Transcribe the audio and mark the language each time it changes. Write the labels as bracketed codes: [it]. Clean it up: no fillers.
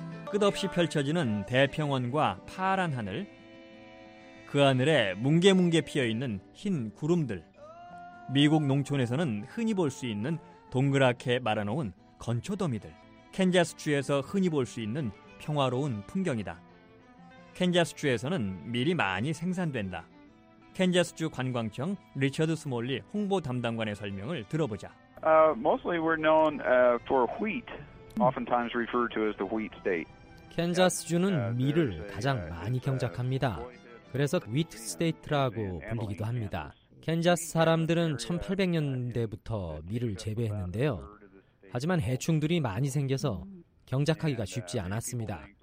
[ko] 끝없이 펼쳐지는 대평원과 파란 하늘, 그 하늘에 뭉게뭉게 피어있는 흰 구름들, 미국 농촌에서는 흔히 볼 수 있는 동그랗게 말아놓은 건초더미들, 캔자스주에서 흔히 볼 수 있는 평화로운 풍경이다. 캔자스주에서는 밀이 많이 생산된다. 캔자스주 관광청 리처드 스몰리 홍보 담당관의 설명을 들어보자. [en] Mostly we're known for wheat, oftentimes referred to as the wheat state. [ko] 캔자스주는 밀을 가장 많이 경작합니다. 그래서 wheat state라고 불리기도 합니다. 캔자스 사람들은 1800년대부터 밀을 재배했는데요. 하지만 해충들이 많이 생겨서 경작하기가 쉽지 않았습니다.